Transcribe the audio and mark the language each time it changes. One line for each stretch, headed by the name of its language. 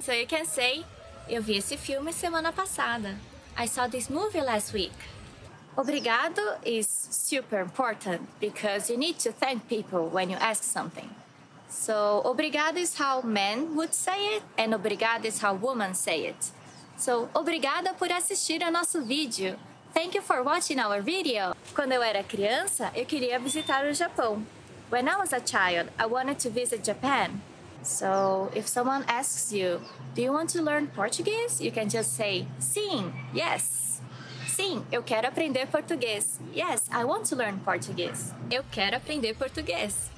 English: So you can say
Portuguese: eu vi esse filme semana passada.
English: I saw this movie last week. Obrigado is super important because you need to thank people when you ask something. So, obrigado is how men would say it, and obrigado is how women say it.
Portuguese: So, obrigada por assistir ao nosso vídeo.
English: Thank you for watching our video.
Portuguese: Quando eu era criança, eu queria visitar o Japão.
English: When I was a child, I wanted to visit Japan. So, if someone asks you, do you want to learn Portuguese? You can just say, sim, yes.
Portuguese: Sim, eu quero aprender português.
English: Yes, I want to learn Portuguese.
Portuguese: Eu quero aprender português.